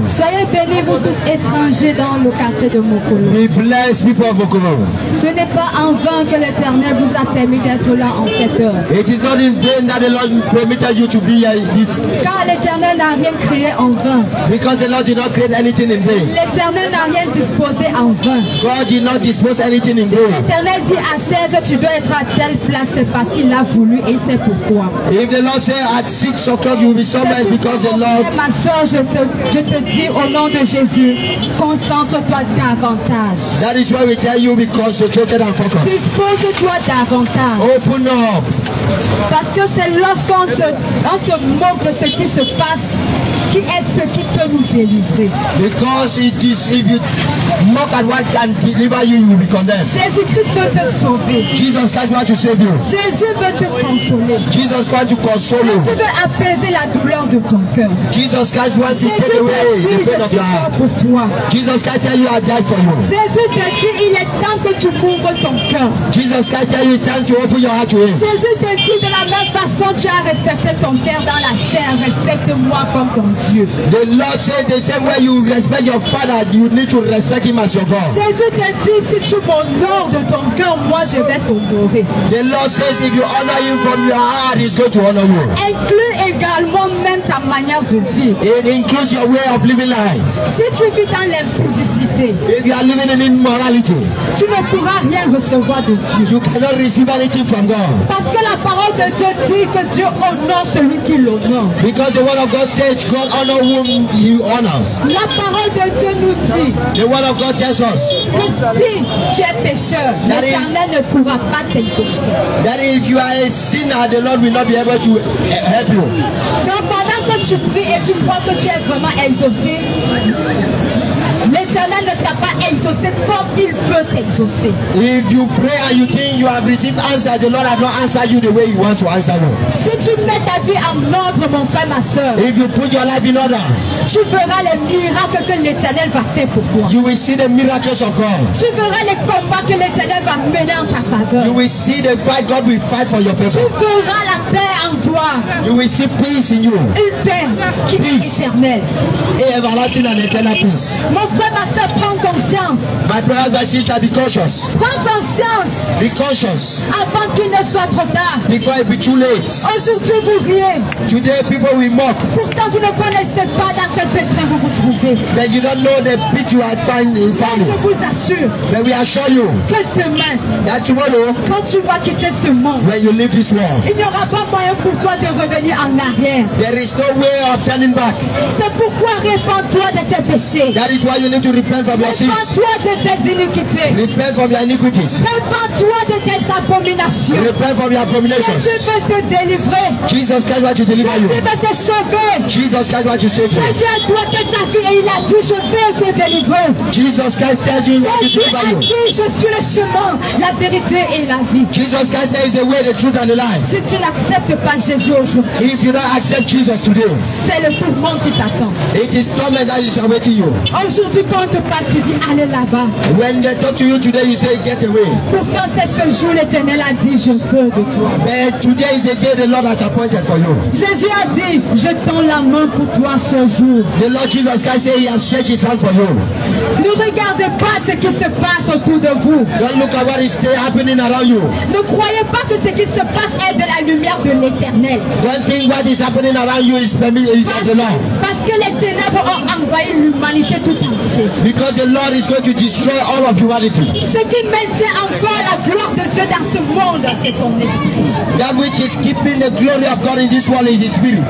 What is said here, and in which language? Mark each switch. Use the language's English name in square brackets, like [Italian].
[French] Soyez bénis, vous tous étrangers dans le quartier de Mokolo. [English] Be blessed, people of Mokolo. [French] Ce n'est pas en vain que l'Éternel vous a permis d'être là en cette heure. [English] It is not in vain that the Lord permitted you to be here in this. [French] Car l'Éternel n'a rien créé en vain. [English] Because the Lord did not create anything in vain. [French] L'Éternel n'a rien disposé en vain. [English] God did not dispose anything in vain. [French] L'Éternel dit à Serge, tu doit être à telle place, c'est parce qu'il l'a voulu et c'est pourquoi. [English] If the Lord say at 6 o'clock you will be somewhere because the Lord. [French] Ma soeur, je te dis au nom de Jésus, concentre-toi davantage. [English] That is why we tell you be concentrated and focused. [French] Dispose-toi davantage. [English] Open up. [French] Parce que c'est lorsqu'on se moque de ce qui se passe. Qui est ce qui peut nous délivrer? [English] Because it is if you knock at what can deliver you, you will be condemned. [French] Jésus Christ veut te sauver. [English] Jesus Christ wants to save you. [French] Jésus veut te consoler. [English] Jesus wants to console you. [French] Jésus veut apaiser la douleur de ton cœur. [English] Jesus Christ wants to take away the pain of your heart. [French] Jésus pour toi. [English] Jesus Christ tell you I died for you. [French] Jésus te dit il est temps que tu ouvres ton cœur. [English] Jesus Christ tell you it's time to open your heart to him. [French] Jésus te dit de la même façon tu as respecté ton père dans la chair, respecte-moi comme ton Dieu. [English] The Lord said the same way you respect your father, you need to respect him as your God. [French] Jésus te dit si tu m'honores de ton cœur, moi je vais t'honorer. [English] The Lord says if you honor him from your heart, he's going to honor you. [French] Inclus également même ta manière de vivre. [English] It includes your way of living life. [French] Si tu vis dans l'impudicité, [English] if you are living in immorality, [French] tu ne pourras rien recevoir de Dieu. [English] You cannot receive anything from God. [French] Parce que la parole de Dieu dit que Dieu honore celui qui l'honore. [English] Because the word of God states God honor whom he honors. [French] La parole de Dieu nous dit. [English] The word of God tells us. [French] Que si tu es pécheur, l'Éternel ne pourra pas t'exaucer. [English] That if you are a sinner, the Lord will not be able to help you. [French] Donc pendant que tu pries et tu crois que tu es vraiment exaucé, l'Éternel ne t'a pas exaucé comme il veut t'exaucer. [English] If you pray and you think you have received answer, the Lord has not answered you the way he wants to answer you. [French] Si tu mets ta vie en ordre, mon frère, ma soeur, [English] if you put your life in order, [French] tu verras les miracles que l'Éternel va faire pour toi. [English] You will see the miracles occur. [French] Tu verras les combats que l'Éternel va mener en ta faveur. [English] You will see the fight God will fight for your favor. [French] Tu verras la paix en toi. [English] You will see peace in you. [French] Une paix qui est éternelle. [English] Et everlasting and eternal peace. [French] Mon frère, ma soeur, prends conscience. [English] My brothers, my sisters, be cautious. [French] Prends conscience. [English] Be cautious. [French] Avant qu'il ne soit trop tard. [English] Before it be too late. [French] Aujourd'hui, vous riez. [English] Today, people will mock. [French] Pourtant, vous ne connaissez pas dans quel pétrin vous vous trouvez. [English] But you don't know the pit you are finding. [French] Mais je vous assure. [English] But we assure you. [French] Que demain. [English] That tomorrow. [French] Quand tu vas quitter ce monde. [English] When you leave this world. [French] Il n'y aura pas moyen pour toi de revenir en arrière. [English] There is no way of turning back. [French] C'est pourquoi répands-toi de tes péchés. [English] That is why you need to repent from your sins. [French] Repends-toi de tes iniquités. [English] Repent from your iniquities. [French] Repends-toi de tes abominations. [English] Repent from your abominations. [French] Jésus veut te délivrer. [English] Jesus Christ wants to deliver you. [French] Jésus veut te sauver. [English] Jesus Christ wants to save you. [French] Jésus a doigté ta vie et il a dit je veux te délivrer. [English] Jesus Christ tells you what to deliver you. [French] Jésus a dit je suis le chemin, la vérité et la vie. [English] Jesus Christ says the way, the truth and the life. [French] Si tu n'acceptes pas Jésus aujourd'hui, [English] if you don't accept Jesus today, [French] c'est le tourment qui t'attend. [English] It is torment that is awaiting you. [French] Aujourd'hui quand tu pars, tu dis allez là-bas. [English] When they talk to you today, you say get away. [French] Pourtant c'est ce jour l'Éternel a dit je veux de toi. [English] But today is the day the Lord has appointed for you. [French] Jésus a dit je tends la main pour toi ce jour. [English] The Lord Jesus Christ said he has stretched his hand for you. [French] Ne regardez pas ce qui se passe autour de vous. [English] Don't look at what is happening around you. [French] Ne croyez pas que ce qui se passe est de la lumière de l'Éternel. [English] Don't think what is happening around you is permitted by the Lord. [French] Parce que les ténèbres ont envahi l'humanité tout entière. [English] Because the Lord is going to destroy all of humanity. [French] Ce qui maintient encore la gloire de Dieu dans ce monde, c'est son esprit. [English] That which is keeping the glory of God in this world is his spirit.